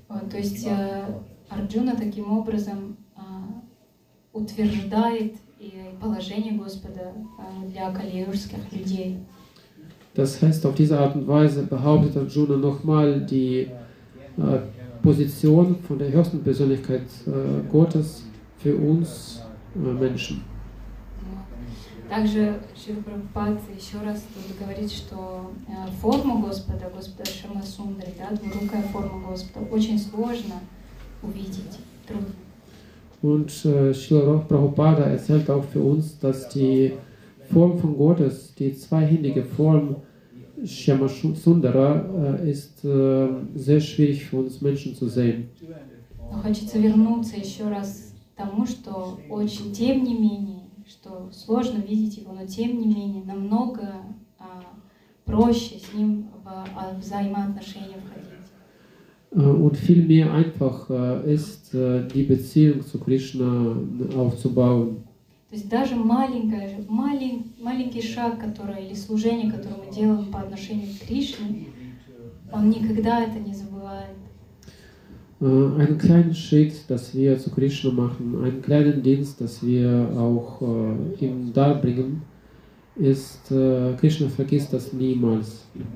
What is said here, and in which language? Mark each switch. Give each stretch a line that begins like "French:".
Russian: То есть Арджуна таким образом утверждает положение Господа для калиюрских людей.
German: Das heißt, auf diese Art und Weise behauptet Arjuna nochmal die Position von der höchsten Persönlichkeit Gottes für uns Menschen.
Russian: Также Шрила Прабхупада еще раз тут говорит, что форму Господа, Господа Шрила Сундари, да, двурукая форма Господа, очень сложно увидеть, трудно.
German: Und Srila Prabhupada erzählt auch für uns, dass die Form von Gottes, die zweihändige Form Shyama Sundara, ist sehr schwierig für uns Menschen zu sehen.
Russian: Но хочется вернуться еще раз к тому, что очень тем не менее, что сложно видеть его, но тем не менее намного проще с ним в взаимоотношения входить.
German: Und viel mehr einfach ist, die Beziehung zu Krishna aufzubauen.
Russian: То есть даже маленький шаг, который или служение, которое мы делаем по отношению к Кришне, он никогда это не забывает.
German: Ein kleiner Schritt, das wir zu Krishna machen, einen kleinen Dienst, das wir auch ihm darbringen, ist Krishna vergisst das niemals.